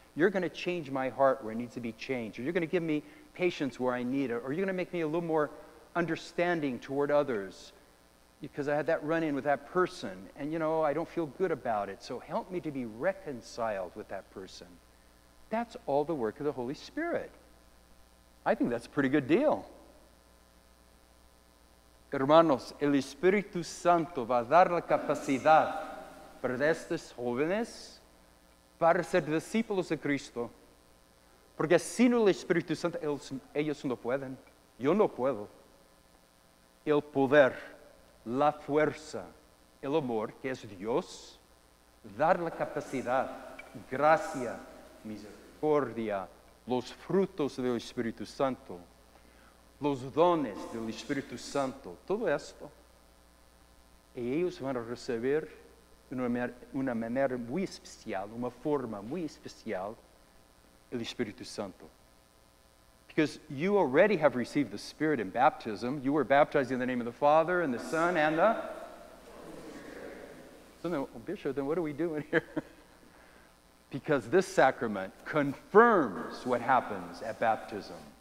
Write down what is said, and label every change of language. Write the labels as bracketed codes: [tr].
[en] You're going to change my heart where it needs to be changed. Or you're going to give me patience where I need it. Or you're going to make me a little more understanding toward others. Because I had that run-in with that person. And, you know, I don't feel good about it. So help me to be reconciled with that person. That's all the work of the Holy Spirit. I think that's a pretty good deal. [es] Hermanos, el Espíritu Santo va a dar la capacidad para estos jóvenes para ser discípulos de Cristo. Porque sin el Espíritu Santo, ellos no pueden. Yo no puedo. El poder, la fuerza, el amor, que es Dios, dar la capacidad, gracia, misericordia, los frutos del Espíritu Santo, los dones del Espíritu Santo, todo esto. Y ellos van a recibir una manera muy especial, una forma muy especial, el Espíritu Santo. [en] Because you already have received the Spirit in baptism. You were baptized in the name of the Father and the Son and the Holy Spirit. So, Bishop, then what are we doing here? Because this sacrament confirms what happens at baptism.